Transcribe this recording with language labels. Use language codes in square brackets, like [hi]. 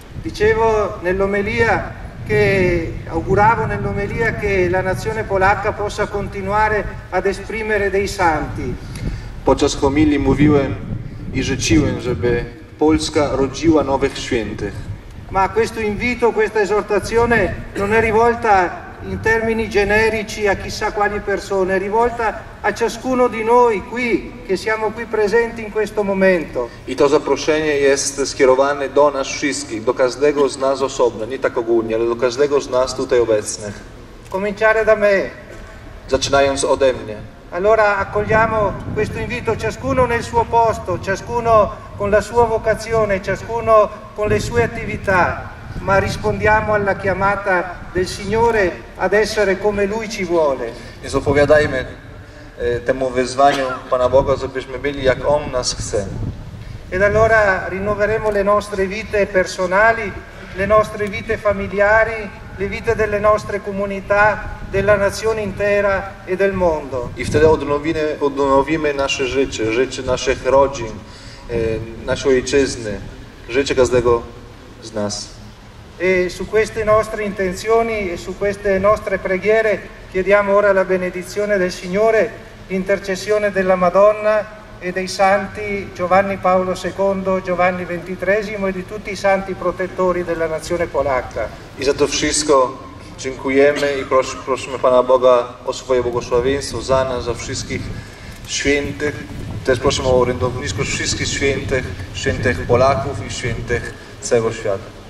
[it] Dicevo nell'omelia che auguravo nell'omelia che la nazione polacca possa continuare ad esprimere dei santi. [pl] Podczas homilii mówiłem i życzyłem, żeby Polska rodziła nowych świętych. [it] Ma questo invito, questa esortazione non è rivolta in termini generici a chissà quali persone, è rivolta a ciascuno di noi qui, che siamo qui presenti in questo momento. [pl] I to zaproszenie jest skierowane do nas wszystkich, do każdego z nas osobno, nie tak ogólnie, ale do każdego z nas tutaj obecnych. [it] Cominciare da me. [pl] Zaczynając ode mnie. [it] Allora accogliamo questo invito, ciascuno nel suo posto, ciascuno con la sua vocazione, ciascuno con le sue attività, ma rispondiamo alla chiamata del Signore ad essere come Lui ci vuole. [pl] I zapowiadajmy temu wyzwaniu Pana Boga, żebyśmy byli jak On nas chce. [it] Ed allora rinnoveremo le nostre vite personali, le nostre vite familiari, le vite delle nostre comunità, della nazione intera e del mondo. [pl] I wtedy odnowimy nasze życie, życie naszych rodzin, naszej ojczyzny, życie każdego z nas. [it] E su queste nostre intenzioni e su queste nostre preghiere chiediamo ora la benedizione del Signore, intercessione della Madonna e dei santi Giovanni Paolo II, Giovanni XXIII e di tutti i santi protettori della nazione polacca. [pl] I za to wszystko dziękujemy i prosimy Pana Boga o swoje błogosławieństwo za nas, za wszystkich świętych. Też prosimy o orędownictwo wszystkich świętych, świętych Polaków i świętych całego świata.